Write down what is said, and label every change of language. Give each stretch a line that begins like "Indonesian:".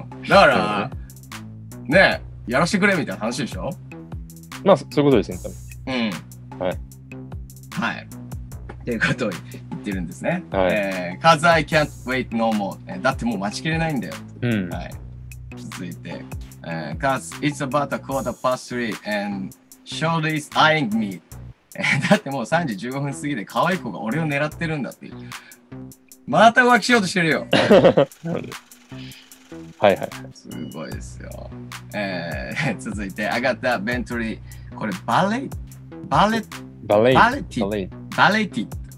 Japanese: うん、だから ね、やらせてくれみたいな話でしょ。まあ、そういうことですね、多分。うん、はい。はい。っていうことを言ってるんですね。はい。
English: Cause I can't wait no more.
Japanese: だってもう待ちきれないんだよ。うん。はい。続いて。
English: Cause it's about a quarter past three and Shirley is eyeing me.
Japanese: だってもう3時15分過ぎで可愛い子が俺を狙ってるんだっていう。また浮気しようとしてるよ。はいはいはい。すごいですよ。続いて。
English: I got that Bentley.
Japanese: これバレーバレティ。